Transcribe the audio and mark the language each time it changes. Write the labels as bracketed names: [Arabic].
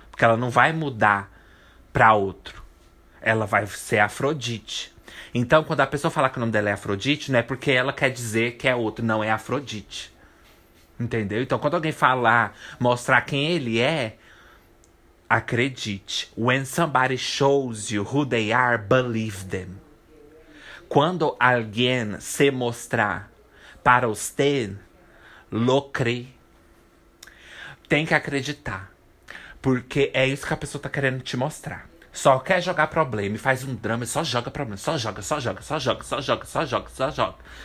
[Portuguese] Porque ela não vai mudar. Pra outro. Ela vai ser Afrodite. Então, quando a pessoa falar que o nome dela é Afrodite, não é porque ela quer dizer que é outro, não é Afrodite. Entendeu? Então, quando alguém falar, mostrar quem ele é, acredite. [English] When somebody shows you who they are, believe them. [Portuguese] Quando alguém se mostrar para você, lo crê. Tem que acreditar. Porque é isso que a pessoa tá querendo te mostrar. Só quer jogar problema e faz um drama e só joga problema. Só joga, só joga, só joga, só joga, só joga, só joga, só joga.